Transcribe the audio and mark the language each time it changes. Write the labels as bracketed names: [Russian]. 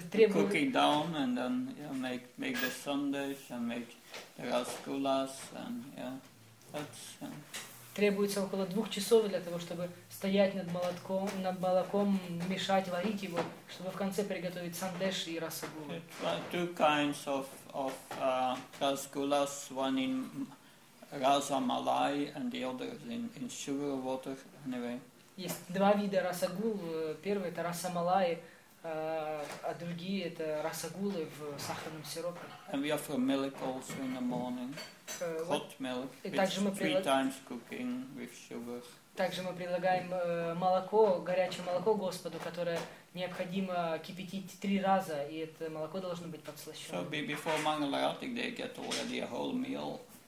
[English] Cook it down and then make the sandesh and make the rasgullas and [Russian] Требуется около 2 часов для того, чтобы стоять над молоком, мешать, варить его, чтобы в конце приготовить сандеш и расагулу. [English] Two kinds of rasgullas, one in Rasa Malai and the other in sugar water, anyway. [Russian] Есть 2 вида расагул. Первый это Rasa Malai, а другие это расагулы в сахарном сиропе. [English] And we offer milk also in the morning, hot milk, three times cooking with sugar. [Russian] Также мы предлагаем молоко, горячее молоко Господу, которое необходимо кипятить 3 раза, и это молоко должно быть подслащено. [English] So before Mangalarati they get already a whole meal.